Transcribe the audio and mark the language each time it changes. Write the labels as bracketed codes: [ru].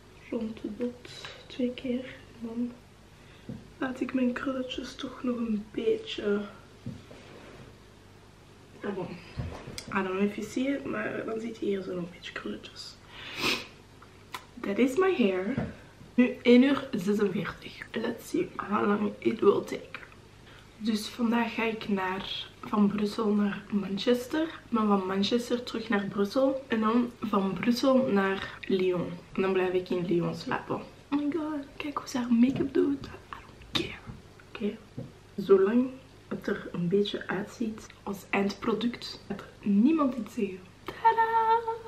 [nl] Rond de dot 2 keer. En dan laat ik mijn krulletjes toch nog een beetje. Ah, bon. [en] I don't know if you see it, [nl] maar dan ziet hij hier zo nog een beetje krulletjes. [en] That is my hair. [nl] Nu 1 uur 46. [en] Let's see how long it will take. [nl] Dus vandaag ga ik naar, van Brussel naar Manchester. Maar van Manchester terug naar Brussel. En dan van Brussel naar Lyon. En dan blijf ik in Lyon slapen. Oh my god, kijk hoe ze haar make-up doet. [en] I don't care. [nl] Oké. Zolang het er een beetje uitziet als eindproduct, gaat er niemand iets zeggen. Tada!